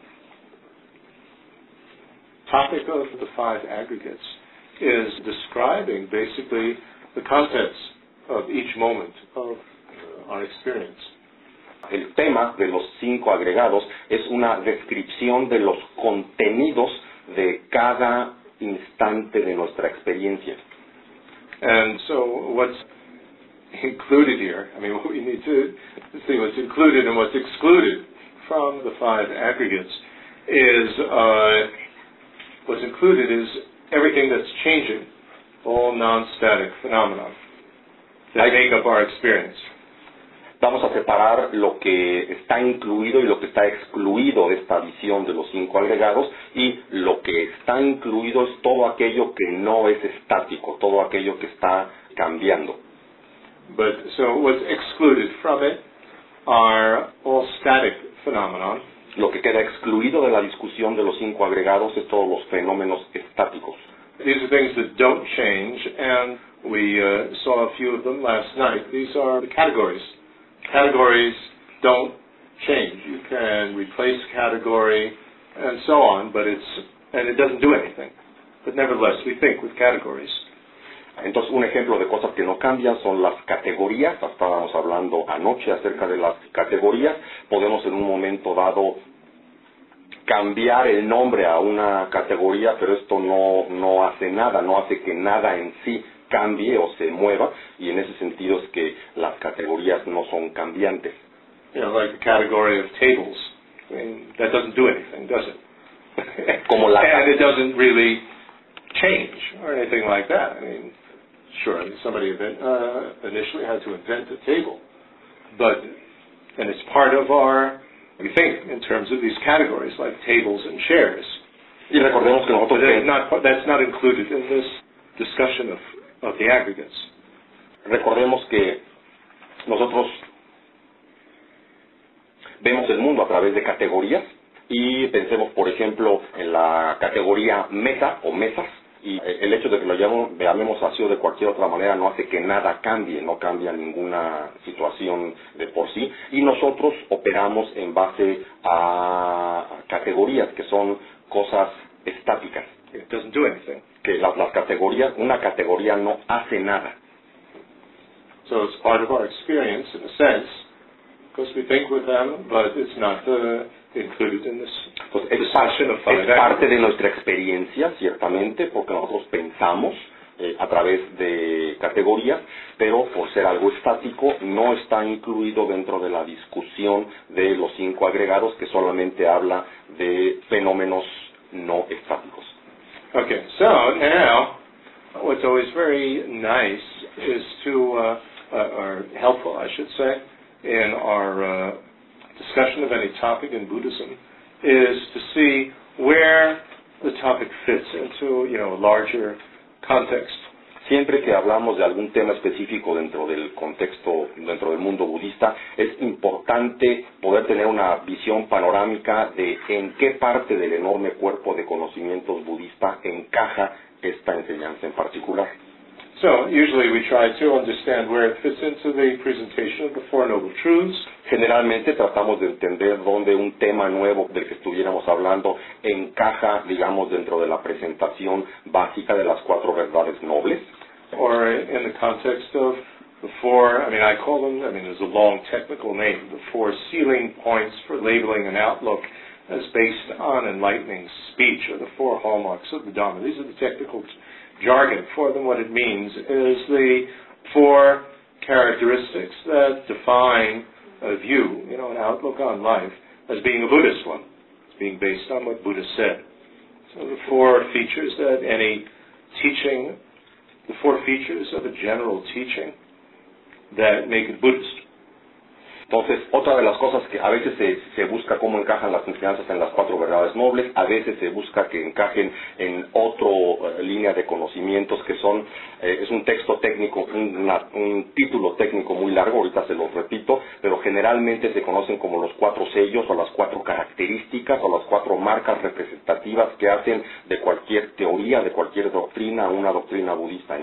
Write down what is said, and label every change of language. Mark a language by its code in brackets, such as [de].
[en] The topic of the five aggregates is describing basically the contents of each moment of our experience. [es] El tema de los cinco agregados es una descripción de los contenidos de cada instante de nuestra experiencia. [en] And so what's included here, I mean, what we need to see what's included and what's excluded from the five aggregates is what's included is everything that's changing, all non-static phenomena that make up our experience. [es] Vamos a separar lo que está incluido y lo que está excluido de esta visión de los cinco agregados, y lo que está incluido es todo aquello que no es estático, todo aquello que está cambiando. [en] But so what's excluded from it are all static phenomena. [es] Lo que queda excluido de la discusión de los cinco agregados es todos los fenómenos estáticos. [en] These are things that don't change, and we saw a few of them last night. These are the categories. Categories don't change. You can replace category and so on, but it doesn't do anything. But nevertheless, we think with categories. [es] Entonces, un ejemplo de cosas que no cambian son las categorías. Estábamos hablando anoche acerca de las categorías. Podemos en un momento dado cambiar el nombre a una categoría, pero esto no hace nada, no hace que nada en sí cambie o se mueva. Y en ese sentido es que las categorías no son cambiantes. [en] You know, like the category of tables. I mean, that doesn't do anything, does it? [es] Como la [en] and it doesn't really change or anything like that. I mean, sure, somebody initially had to invent a table, and it's part of our, we think, in terms of these categories, like tables and chairs. [es] Y recordemos que nosotros [en] that's not included in this discussion of the aggregates. [es] Recordemos que nosotros vemos el mundo a través de categorías, y pensemos, por ejemplo, en la categoría meta o mesas, y el hecho de que lo llamemos así o de cualquier otra manera no hace que nada cambie, no cambia ninguna situación de por sí. Y nosotros operamos en base a categorías que son cosas estáticas. [en] It doesn't do anything. [es] Que las categorías, una categoría no hace nada. [en] So it's part of our experience in a sense, because we think with them, but it's not included in this. [es] Es parte de nuestra experiencia, ciertamente, porque nosotros pensamos a través de categorías, pero por ser algo estático, no está incluido dentro de la discusión de los cinco agregados, que solamente habla de fenómenos no estáticos. [en] Okay, so now, what's always very nice is to, or helpful, I should say, in our discussion of any topic in Buddhism, is to see where the topic fits into, you know, a larger context. [es] Siempre que hablamos de algún tema específico dentro del contexto, dentro del mundo budista, es importante poder tener una visión panorámica de en qué parte del enorme cuerpo de conocimientos budista encaja esta enseñanza en particular. [en] So, usually we try to understand where it fits into the presentation of the Four Noble Truths. [es] Generalmente tratamos de entender dónde un tema nuevo del que estuviéramos hablando encaja, digamos, dentro de la presentación básica de las cuatro verdades nobles. [en] Or in the context of the four, I mean, I call them, I mean, there's a long technical name, the four ceiling points for labeling an outlook as based on enlightening speech, or the four hallmarks of the Dhamma. These are the technical jargon for them. What it means is the four characteristics that define a view, you know, an outlook on life as being a Buddhist one, as being based on what Buddha said. So the four features that any teaching, the four features of a general teaching that make it Buddhist. [es] Entonces, otra de las cosas que a veces se busca cómo encajan las enseñanzas en las cuatro verdades nobles, a veces se busca que encajen en otra línea de conocimientos que son, es un texto técnico, un título técnico muy largo, ahorita se los repito, pero generalmente se conocen como los cuatro sellos o las cuatro características o las cuatro marcas representativas que hacen de cualquier teoría, de cualquier doctrina, una doctrina budista.